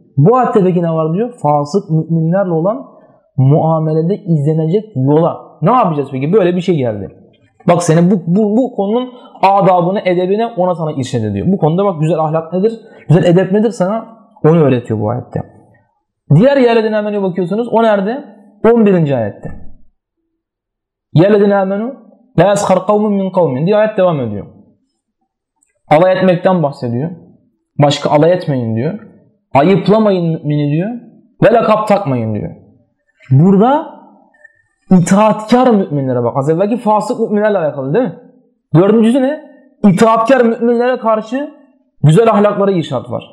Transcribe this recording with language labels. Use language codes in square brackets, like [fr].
[tr] Bu ayette peki ne var diyor? Fasık müminlerle olan muamelede izlenecek yola. Ne yapacağız peki? Böyle bir şey geldi. Bak seni bu konunun adabını, edebine ona sana irşad ediyor. Bu konuda bak güzel ahlak nedir? Güzel edep nedir sana? Onu öğretiyor bu ayette. Diğer eyyühellezine amenu bakıyorsunuz. O nerede? 11. ayette. [ar] يَلَدِنَا اَمَنُوا لَا يَسْخَرْ قَوْمٌ مِّنْ قَوْمٍ [tr] diye ayet devam ediyor. Alay etmekten bahsediyor. Başka alay etmeyin diyor. Ayıplamayın mümini diyor. Ve lakap takmayın diyor. Burada itaatkar müminlere bak. Az evvelki fasık müminlerle alakalı değil mi? Dördüncüsü ne? İtaatkar müminlere karşı güzel ahlaklara irşat var.